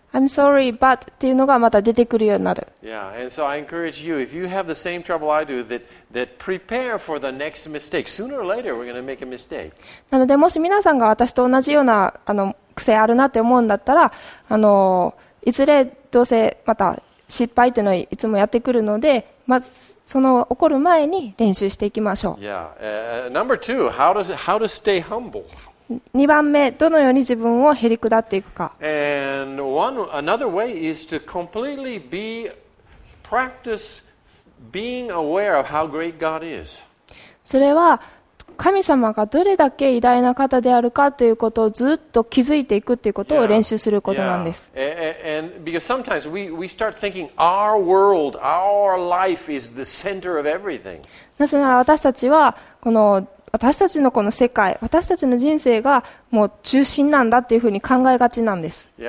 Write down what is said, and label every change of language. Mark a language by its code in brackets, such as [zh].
[en] I'm sorry, but [ja] っていうのがまた出てくるようになる。 [en] Yeah, and so I encourage you, if you have the same trouble I do, that prepare for the next mistake. Sooner or later, we're going to make a mistake. [ja] なので、もし皆さんが私と同じような癖あるなって思うんだったら、いずれどうせまた失敗っていうのをいつもやってくるので、まずその起こる前に練習していきましょう。 [en] Yeah, number two, how to stay humble. [ja] 2番目、どのように自分をへりくだっていくか。 [en] And another way is to completely practice being aware of how great God is. [ja] それは神様がどれだけ偉大な方であるかということをずっと気づいていくということを練習することなんです。 [en] And because sometimes we start thinking our world, our life is the center of everything. [ja] なぜなら私たちはこの私たちのこの世界、私たちの人生がもう中心なんだっていうふうに考えがちなんです。